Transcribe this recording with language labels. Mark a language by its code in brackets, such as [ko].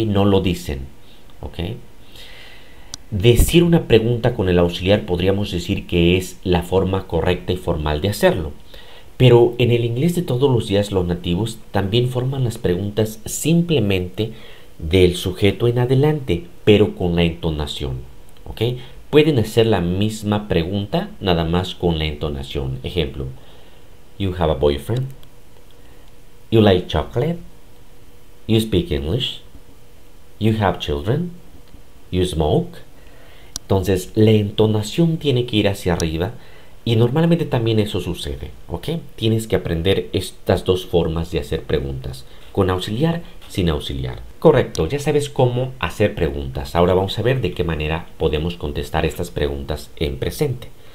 [es] No lo dicen, ¿ok? Decir una pregunta con el auxiliar podríamos decir que es la forma correcta y formal de hacerlo. Pero en el inglés de todos los días, los nativos también forman las preguntas simplemente del sujeto en adelante, pero con la entonación, ¿ok? Pueden hacer la misma pregunta, nada más con la entonación. [en] Ejemplo, you have a boyfriend, you like chocolate, you speak English, you have children, you smoke. [es] Entonces, la entonación tiene que ir hacia arriba y normalmente también eso sucede, ¿ok? Tienes que aprender estas dos formas de hacer preguntas, con auxiliar, sin auxiliar. Correcto, ya sabes cómo hacer preguntas. Ahora vamos a ver de qué manera podemos contestar estas preguntas en presente.